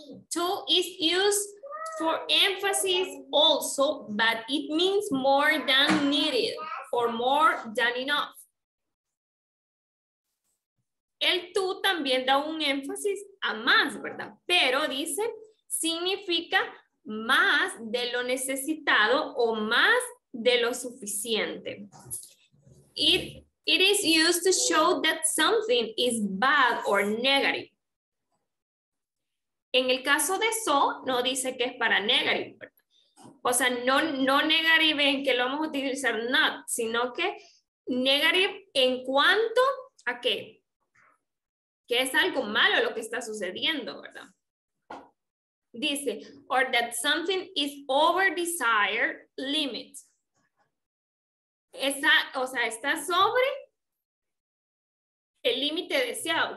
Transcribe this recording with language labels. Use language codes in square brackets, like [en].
[en] Too is used for emphasis also, but it means more than needed or more than enough. [es] El too también da un énfasis a más, ¿verdad? Pero dice, significa más de lo necesitado o más de lo suficiente. [en] It is used to show that something is bad or negative. [es] En el caso de so, no dice que es para negative. O sea, no negative en que lo vamos a utilizar not, sino que negative en cuanto a qué. Que es algo malo lo que está sucediendo, ¿verdad? Dice, [en] or that something is over desired limit. [es] Esa, o sea, está sobre el límite deseado.